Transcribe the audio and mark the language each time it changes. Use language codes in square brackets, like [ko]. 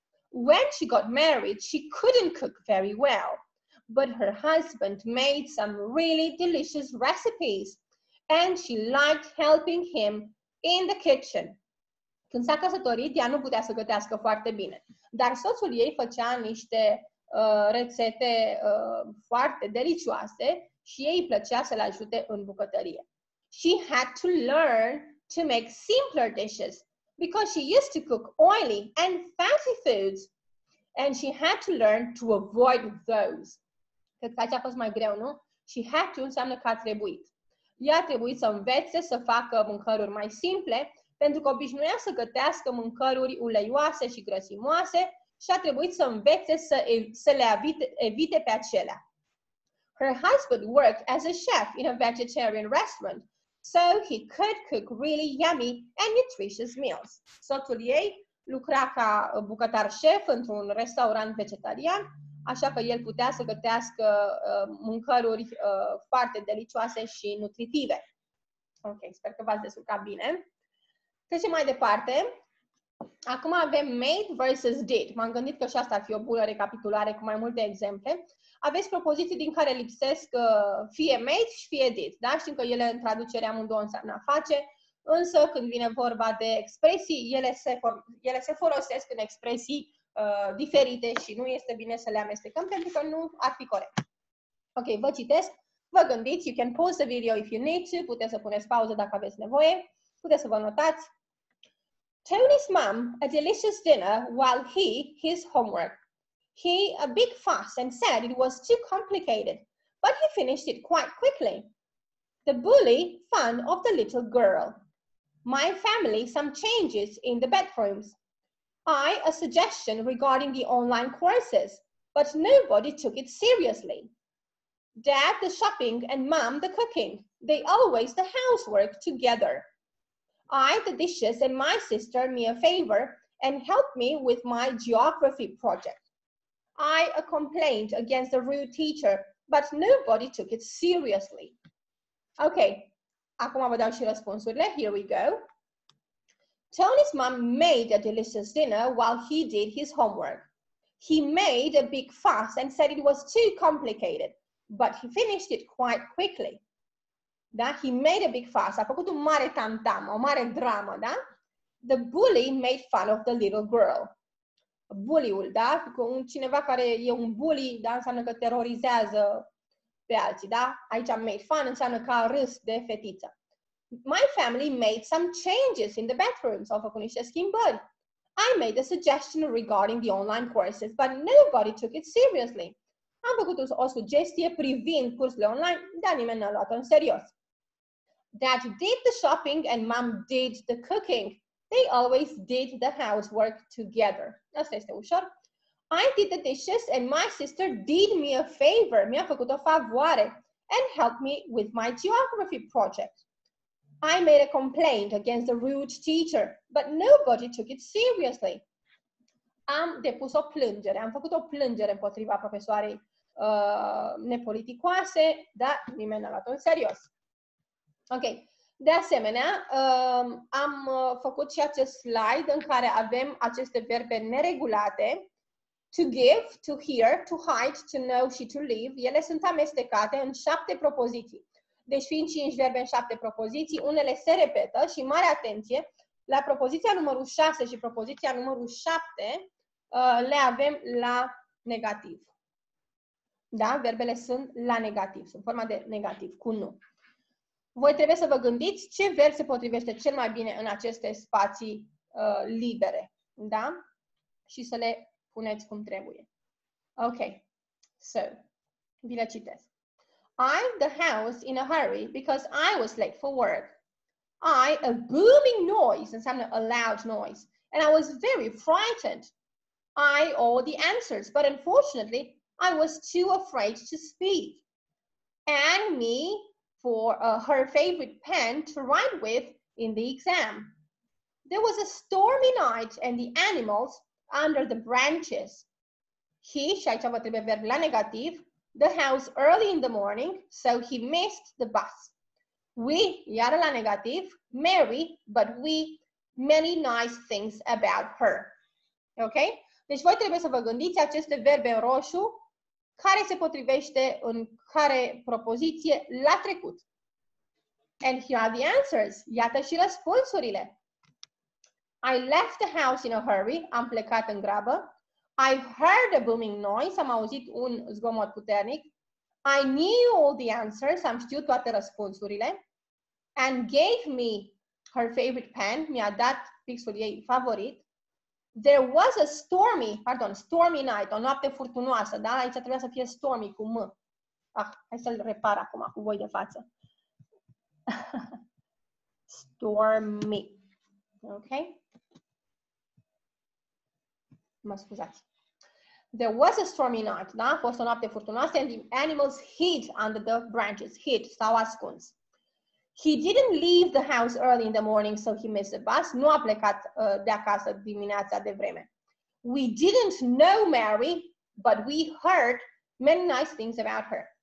[en] When she got married, she couldn't cook very well, but her husband made some really delicious recipes, and she liked helping him in the kitchen. [ro] Când s-a căsătorit, ea nu putea să gătească foarte bine, dar soțul ei făcea niște rețete foarte delicioase și ei plăcea să-l ajute în bucătărie. [en] She had to learn to make simpler dishes because she used to cook oily and fatty foods and she had to learn to avoid those. [ro] Cred că aceea a fost mai greu, nu? [en] She had to [ro] înseamnă că a trebuit. Ea a trebuit să învețe să facă mâncăruri mai simple pentru că obișnuia să gătească mâncăruri uleioase și grăsimoase și a trebuit să învețe să le evite pe acelea. [en] Her husband worked as a chef in a vegetarian restaurant, so he could cook really yummy and nutritious meals. [ro] Soțul ei lucra ca bucătar șef într-un restaurant vegetarian, așa că el putea să gătească mâncăruri foarte delicioase și nutritive. Ok, sper că v-ați descurcat bine. Trecem mai departe. Acum avem made versus did. M-am gândit că și asta ar fi o bună recapitulare cu mai multe exemple. Aveți propoziții din care lipsesc fie made și fie did. Da? Știm că ele în traducere amândouă înseamnă a face, însă când vine vorba de expresii, ele se folosesc în expresii diferite și nu este bine să le amestecăm pentru că nu ar fi corect. Ok, vă citesc, vă gândiți, [en] you can pause the video if you need to, [ro] puteți să puneți pauză dacă aveți nevoie, puteți să vă notați. [en] Tony's mom, a delicious dinner while he, his homework. He, a big fuss and said it was too complicated, but he finished it quite quickly. The bully, fun of the little girl. My family, some changes in the bedrooms. I, a suggestion regarding the online courses, but nobody took it seriously. Dad, the shopping and mom, the cooking. They always the housework together. I, the dishes, and my sister, me a favor, and help me with my geography project. I, a complaint against a rude teacher, but nobody took it seriously. [ro] Okay, acum vă dau și răspunsurile. [en] Here we go. Tony's mom made a delicious dinner while he did his homework. He made a big fuss and said it was too complicated, but he finished it quite quickly. Da? He made a big fuss. [ro] A făcut un mare tam-tam, o mare dramă, da? [en] The bully made fun of the little girl. [ro] Bully-ul, da? Cineva care e un bully, da? Înseamnă că terorizează pe alții, da? Aici made fun înseamnă că a râs de fetiță. [en] My family made some changes in the bedrooms. [ro] Au făcut niște schimbări. [en] I made a suggestion regarding the online courses, but nobody took it seriously. [ro] Am făcut o sugestie privind cursurile online, dar nimeni n-a luat-o în serios. [en] Dad did the shopping and mom did the cooking. They always did the housework together. [ro] Asta este ușor. [en] I did the dishes and my sister did me a favor. [ro] Mi-a făcut o favoare [en] and helped me with my geography project. I made a complaint against the rude teacher, but nobody took it seriously. [ro] Am depus o plângere. Am făcut o plângere împotriva profesoarei nepoliticoase, dar nimeni n-a luat-o în serios. Ok, de asemenea, am făcut și acest slide în care avem aceste verbe neregulate. To give, to hear, to hide, to know și to leave. Ele sunt amestecate în 7 propoziții. Deci fiind 5 verbe în 7 propoziții, unele se repetă și mare atenție, la propoziția numărul 6 și propoziția numărul 7 le avem la negativ. Da? Verbele sunt la negativ, sunt forma de negativ, cu nu. Voi trebuie să vă gândiți ce verb se potrivește cel mai bine în aceste spații libere, da? Și să le puneți cum trebuie. Ok, so, vi le citesc. [en] I, the house, in a hurry because I was late for work. I, a booming noise, [ro] înseamnă [en] a loud noise, and I was very frightened. I, all the answers, but unfortunately, I was too afraid to speak. And me, for her favorite pen to write with in the exam. There was a stormy night and the animals under the branches. He, [ro] și aici va trebui verb la negativ, [en] the house early in the morning, so he missed the bus. We, [ro] iar la negativ, [en] Mary, but we, many nice things about her. Ok? [ro] Deci voi trebuie să vă gândiți aceste verbe în roșu, care se potrivește în care propoziție la trecut. [en] And here are the answers. [ro] Iată și răspunsurile. [en] I left the house in a hurry. [ro] Am plecat în grabă. [en] I heard a booming noise. [ro] Am auzit un zgomot puternic. [en] I knew all the answers, [ro] am știut toate răspunsurile, [en] and gave me her favorite pen, [ro] mi-a dat pixul ei favorit. [en] There was a stormy night, [ro] o noapte furtunoasă, [en] da? [ro] Aici trebuia să fie stormy cu M. Ah, hai să-l repar acum cu voi de față. Stormy. Ok? Mă scuzați. [en] There was a stormy night, da? [ro] A fost o noapte furtunoasă, [en] and the animals hid under the branches. Hid, [ro] s-au ascuns. [en] He didn't leave the house early in the morning, so he missed the bus. [ro] Nu a plecat de acasă dimineața de vreme. [en] We didn't know Mary, but we heard many nice things about her.